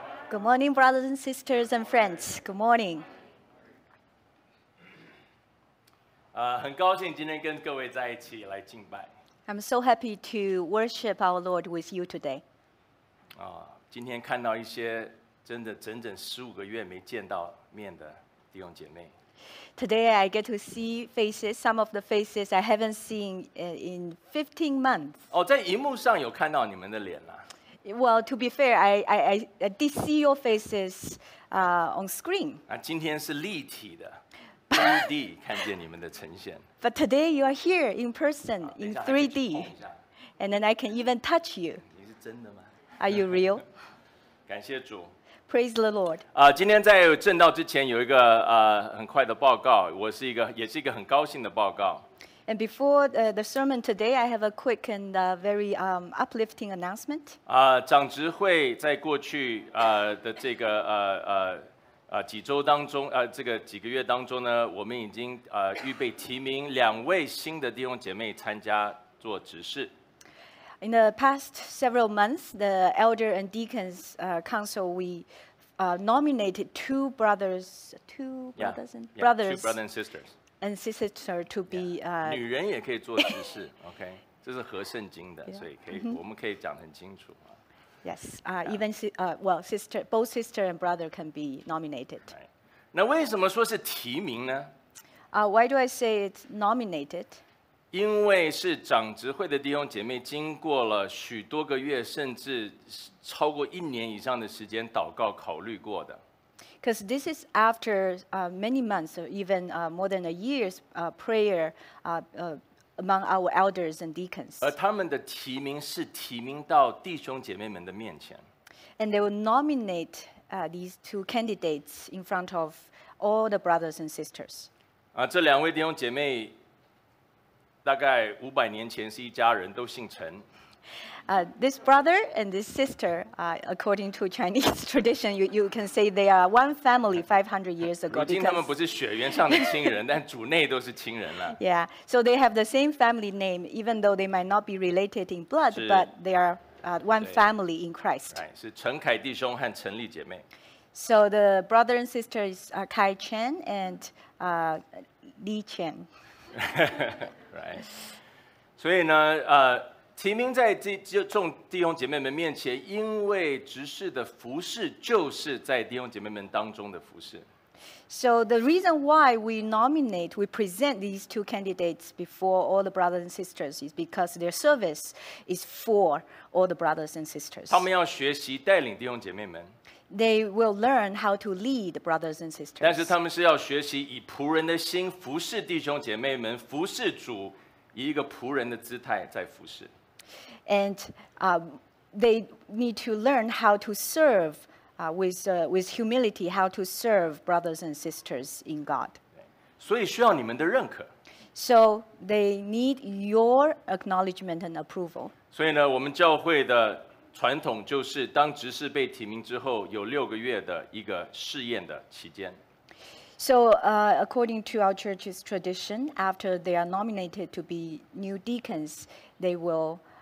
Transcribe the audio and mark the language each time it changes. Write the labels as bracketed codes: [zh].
[en] Good morning, brothers and sisters and friends. Good morning. [zh] 很高兴今天跟各位在一起来敬拜。 [en] I'm so happy to worship our Lord with you today. [zh] 今天看到一些真的整整十五个月没见到面的弟兄姐妹。 [en] Today I get to see faces, some of the faces I haven't seen in 15 months. [zh] 在荧幕上有看到你们的脸了。 [en] Well, to be fair, I did see your faces on screen. [zh] 今天是立体的 3D 看见你们的呈现。 [en] But today you are here in person in 3D. And then I can even touch you. [zh] 你是真的吗？ [en] Are you real? [zh] 感谢主。 [en] Praise the Lord. [zh] 今天在正道之前有一个很快的报告，我是一个也是一个很高兴的报告。 [en] And before the sermon today, I have a quick and very uplifting announcement. [zh] 长执会在过去的这个几周当中，这个几个月当中呢，我们已经预备提名两位新的弟兄姐妹参加做执事。 [en] In the past several months, the elder and deacons council we nominated two brothers and sisters. And sister to be, [zh] 女人也可以做执事，OK， 这是合圣经的，所以可以，我们可以讲很清楚。 [en] Yes, even sister, both sister and brother can be nominated. [zh] Right. 那为什么说是提名呢？ [en] Why do I say it's nominated? [zh] 因为是长执会的弟兄姐妹，经过了许多个月，甚至超过一年以上的时间祷告考虑过的。 [en] Because this is after many months, or even more than a year's prayer among our elders and deacons. [zh] 而他们的提名是提名到弟兄姐妹们的面前。 [en] And they will nominate these two candidates in front of all the brothers and sisters. [zh] 这两位弟兄姐妹大概五百年前是一家人，都姓陈。 [en] This brother and this sister, according to Chinese tradition, you can say they are one family 500 years ago. [zh] 如今他们不是血缘上的亲人，但主内都是亲人了。 [en] Yeah, so they have the same family name, even though they might not be related in blood, but they are one family in Christ. [zh] 是陈凯弟兄和陈丽姐妹。 [en] So the brother and sister is Kai Chen and Li Chen. Right. [zh] 所以呢，提名在这众弟兄姐妹们面前，因为执事的服事就是在弟兄姐妹们当中的服事。 [en] So the reason why we nominate, we present these two candidates before all the brothers and sisters is because their service is for all the brothers and sisters. [zh] 他们要学习带领弟兄姐妹们。 [en] They will learn how to lead brothers and sisters. [zh] 但是他们是要学习以仆人的心服事弟兄姐妹们，服事主，以一个仆人的姿态在服事。 [en] And they need to learn how to serve with humility, how to serve brothers and sisters in God. [zh] 所以需要你们的认可。 [en] So they need your acknowledgement and approval. [zh] 所以呢，我们教会的传统就是，当执事被提名之后，有六个月的一个试验的期间。 [en] So, according to our church's tradition, after they are nominated to be new deacons, they will